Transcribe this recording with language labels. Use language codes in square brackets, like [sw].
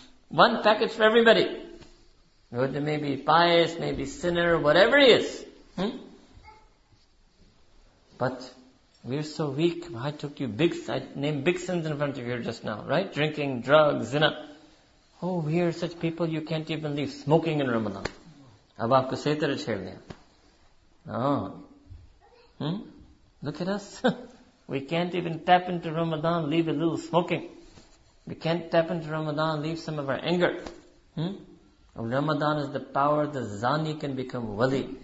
[en] One package for everybody. Whether it may be pious, maybe sinner, whatever he is. But we're so weak. I took you big, I named big sins in front of you just now, right? Drinking, drugs, zina. Oh, we are such people, you can't even leave smoking in Ramadan. [ur] اب آپکو صحیح طرح چھیڑ لیا۔ [en] Look at us. We can't even tap into Ramadan, leave a little smoking. We can't tap into Ramadan, leave some of our anger. Ramadan is the power, the zani can become wali.